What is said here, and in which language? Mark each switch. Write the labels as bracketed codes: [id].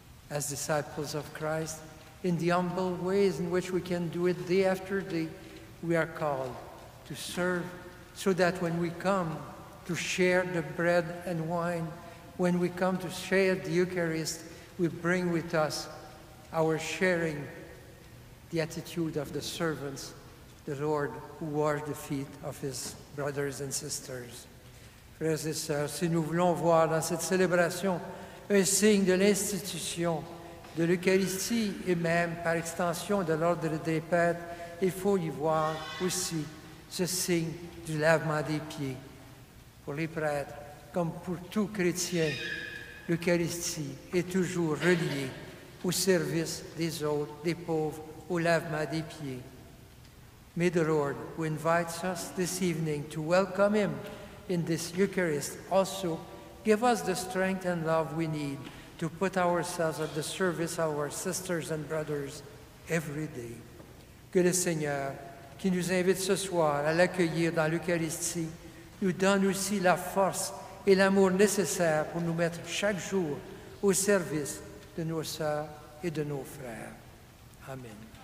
[en] As disciples of Christ, in the humble ways in which we can do it day after day, we are called to serve so that when we come to share the bread and wine, when we come to share the Eucharist, we bring with us our sharing, the attitude of the servants, the Lord who washed the feet of his brothers and sisters. [fr] Frères et sœurs, si nous voulons voir dans cette célébration un signe de l'institution de l'Eucharistie et même, par extension, de l'ordre des prêtres, il faut y voir aussi ce signe du lavement des pieds. Pour les prêtres, comme pour tout chrétien, l'Eucharistie est toujours reliée au service des autres, des pauvres, au lavement des pieds. [en] May the Lord, who invites us this evening to welcome him in this Eucharist, also give us the strength and love we need to put ourselves at the service of our sisters and brothers every day. [fr] Que le Seigneur, qui nous invite ce soir à l'accueillir dans l'Eucharistie, nous donne aussi la force et l'amour nécessaires pour nous mettre chaque jour au service de nos sœurs et de nos frères. Amen.